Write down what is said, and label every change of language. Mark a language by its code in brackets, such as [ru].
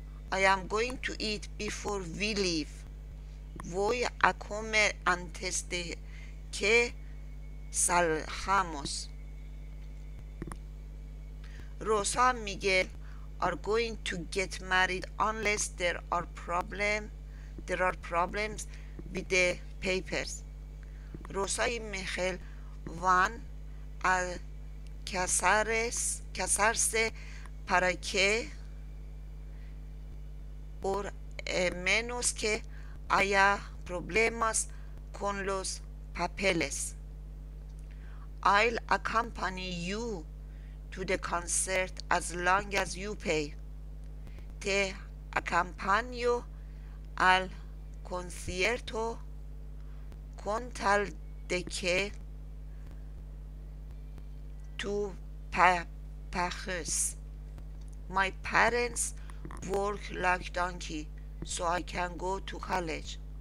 [en] I am going to eat before we leave. [es] Voy a comer antes de que salgamos. [en] Rosa and Miguel are going to get married unless there are problems with the papers. [es] Rosa y Miguel van a casarse para que por menos que haya problemas con los papeles. [en] I'll accompany you to the concert as long as you pay. [es] Te acompaño al concierto con tal de que tú pagues. [en] My parents work like donkey, so I can go to college.